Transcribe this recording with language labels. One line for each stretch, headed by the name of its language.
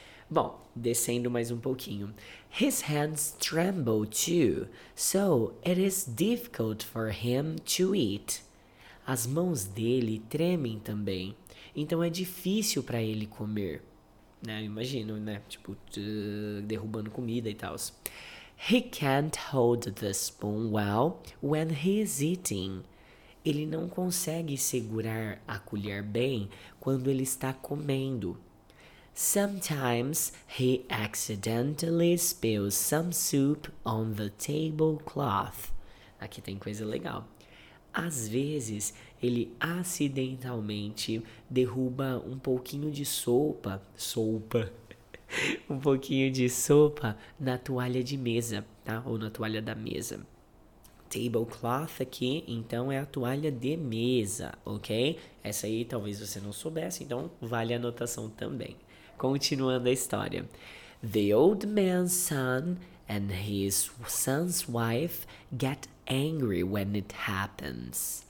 Portuguese: Bom, descendo mais um pouquinho.
English: His hands tremble too, so it is difficult for him to eat.
Portuguese: As mãos dele tremem também, então é difícil para ele comer. Né? Imagino, né? Tipo, derrubando comida e tal.
English: He can't hold the spoon well when he is eating.
Portuguese: Ele não consegue segurar a colher bem quando ele está comendo.
English: Sometimes he accidentally spills some soup on the tablecloth.
Portuguese: Aqui tem coisa legal. Às vezes, ele acidentalmente derruba um pouquinho de sopa, sopa, um pouquinho de sopa na toalha de mesa, tá? Ou na toalha da mesa. Tablecloth aqui, então, é a toalha de mesa, ok? Essa aí talvez você não soubesse, então vale a anotação também. Continuando a história.
English: The old man's son and his son's wife get angry when it happens.